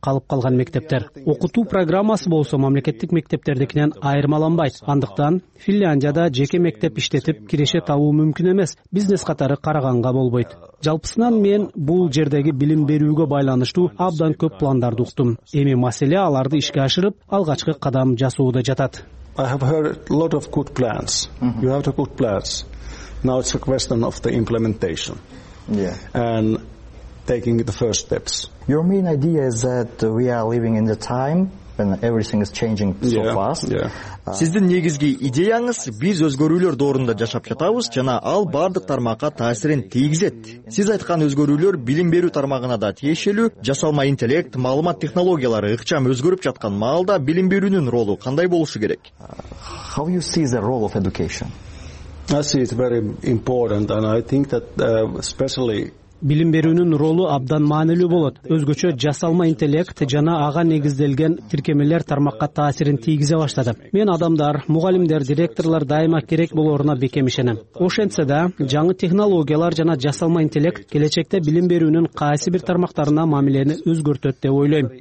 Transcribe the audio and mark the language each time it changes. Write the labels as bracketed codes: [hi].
[ky] калып калган мектептер. Окутуу программасы болсо мамлекеттик мектептердикинен айырмаланбайт. Андыктан Финляндияда жеке мектеп иштетип киреше табуу мүмкүн эмес. Бизнес катары караганга болбойт. Жалпысынан мен бул жердеги билим берүүгө байланыштуу абдан көп пландарды уктум. Эми маселе аларды ишке ашырып, алгачкы кадам жасоодо жатат. [en] I have heard a lot of good plans. Mm-hmm. You have to good plans. Now it's a question of the implementation. Yeah. And taking the first steps. Your main idea is that we are living in the time when everything is changing so yeah, fast. Yeah. [ky] Сиздин негизги идеяңыз биз өзгөрүүлөр доорунда жашап жатабыз жана ал бардык тармакка таасирин тийгизет. Сиз айткан өзгөрүүлөр билим берүү тармагына да тиешелүү. Жасалма интеллект, маалымат технологиялары ыкчам өзгөрүп жаткан маалда билим берүүнүн ролу кандай болушу керек? [en] How you see the role of education? I see it very important and I think that especially [ky] билим берүүнүн ролу абдан маанилүү болот. Өзгөчө жасалма интеллект жана ага негизделген тиркемелер тармакка таасирин тийгизе баштады. Мен адамдар, мугалимдер, директорлор дайыма керек болоруна бекем ишенем. Ошентсе да, жаңы технологиялар жана жасалма интеллект келечекте билим берүүнүн кайсы бир тармактарына мамилени өзгөртөт деп ойлойм.